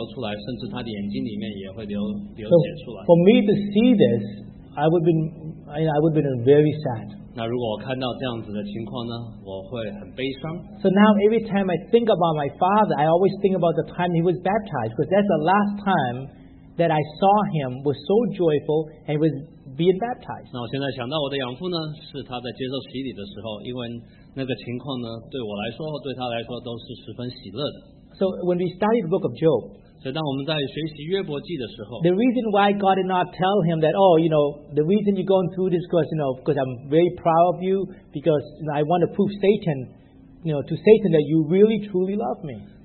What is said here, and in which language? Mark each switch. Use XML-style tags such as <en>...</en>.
<zh>因为他在癌症的末期，所以他呢，其实他的血是从他的五官都会流出来，甚至他的眼睛里面也会流血出来。</zh> <en>So for me to see this, I would have been very sad.</en> <zh>那如果我看到这样子的情况呢，我会很悲伤。</zh> <en>So now every time I think about my father, I always think about the time he was baptized, because that's the last time that I saw him was so joyful and was being baptized.</en> <zh>那我现在想到我的养父呢，是他在接受洗礼的时候，因为 那个情况呢，对我来说，对他来说都是十分喜乐的。</zh> <en>So when we study the book of Job, The reason why God did not tell him that, oh, you know, the reason you're going through this is because, you know, because I'm very proud of you, because you know, I want to prove Satan, you know, to Satan that you really, truly love me.</en>